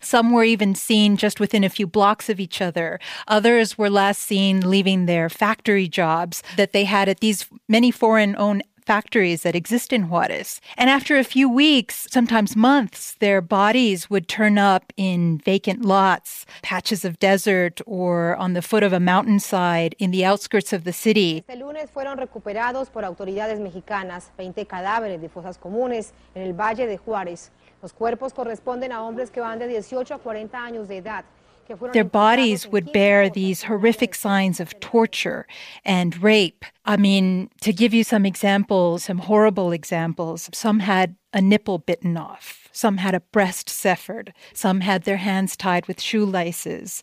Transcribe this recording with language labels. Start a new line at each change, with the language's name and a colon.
English: Some were even seen just within a few blocks of each other. Others were last seen leaving their factory jobs that they had at these many foreign-owned factories that exist in Juarez. And after a few weeks, sometimes months, their bodies would turn up in vacant lots, patches of desert, or on the foot of a mountainside in the outskirts of the city.
Spanish: Este lunes fueron recuperados por autoridades mexicanas 20 cadáveres de fosas comunes en el Valle de Juárez. Los cuerpos corresponden a hombres que van de 18 a 40 años de edad.
English: Their bodies would bear these horrific signs of torture and rape. I mean, to give you some examples, some horrible examples, some had a nipple bitten off. Some had a breast severed. Some had their hands tied with shoelaces.